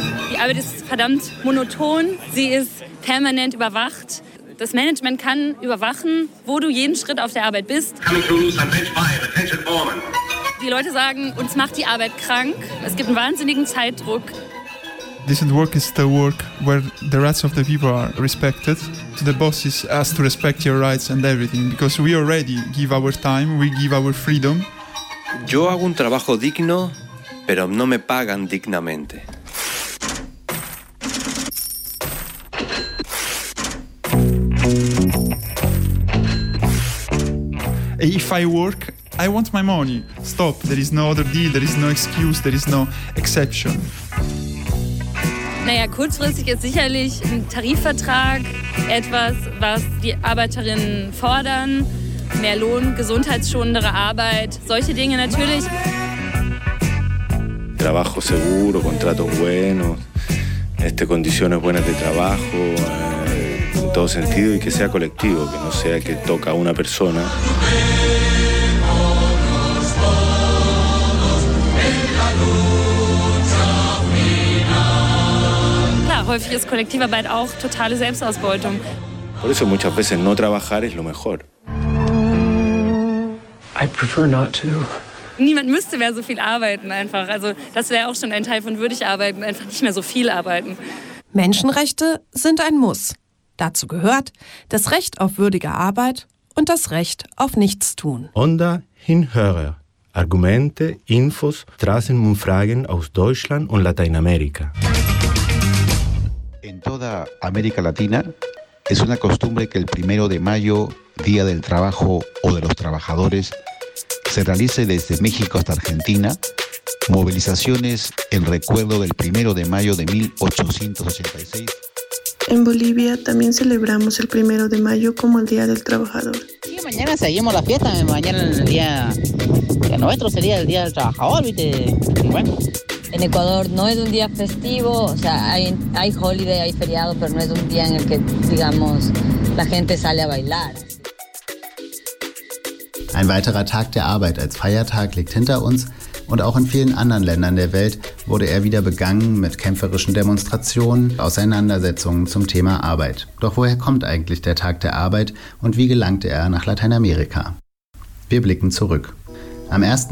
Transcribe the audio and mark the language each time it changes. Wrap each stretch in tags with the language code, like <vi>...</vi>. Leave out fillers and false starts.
<de>Die Arbeit ist verdammt monoton, sie ist permanent überwacht. Das Management kann überwachen, wo du jeden Schritt auf der Arbeit bist. Die Leute sagen, uns macht die Arbeit krank, es gibt einen wahnsinnigen Zeitdruck.</de> <en>Decent work is the work where the rights of the people are respected. So the boss is asked to respect your rights and everything, because we already give our time, we give our freedom.</en> <es>Yo hago un trabajo digno, pero no me pagan dignamente.</es> <en>If I work, I want my money. Stop, there is no other deal, there is no excuse, there is no exception.</en> <de>Naja, kurzfristig ist sicherlich ein Tarifvertrag etwas, was die Arbeiterinnen fordern. Mehr Lohn, gesundheitsschonendere Arbeit, solche Dinge natürlich.</de> <es>Trabajo seguro, contratos buenos, condiciones buenas de trabajo, en todo sentido, y que sea colectivo, que no sea que toca a una persona.</es> <de>Häufig ist Kollektivarbeit auch totale Selbstausbeutung.</de> <es>Por eso muchas veces no trabajar es lo mejor.</es> <en>I prefer not to.</en> <de>Niemand müsste mehr so viel arbeiten einfach. Also das wäre auch schon ein Teil von würdig arbeiten, einfach nicht mehr so viel arbeiten. Menschenrechte sind ein Muss. Dazu gehört das Recht auf würdige Arbeit und das Recht auf Nichtstun. Onda Hinhörer. Argumente, Infos, Straßenumfragen aus Deutschland und Lateinamerika.</de> <es>En toda América Latina es una costumbre que el primero de mayo, Día del Trabajo o de los Trabajadores, se realice desde México hasta Argentina, movilizaciones en recuerdo del primero de mayo de 1886. En Bolivia también celebramos el primero de mayo como el Día del Trabajador. Y mañana seguimos la fiesta, mañana en el día de nuestro sería el Día del Trabajador, ¿viste? Y bueno. En Ecuador no es un día festivo, o sea, hay holiday, hay feriado, pero no es un día en el que, digamos, la gente sale a bailar.</es> <de>Ein weiterer Tag der Arbeit als Feiertag liegt hinter uns und auch in vielen anderen Ländern der Welt wurde er wieder begangen mit kämpferischen Demonstrationen, Auseinandersetzungen zum Thema Arbeit. Doch woher kommt eigentlich der Tag der Arbeit und wie gelangte er nach Lateinamerika? Wir blicken zurück. Am 1.</de>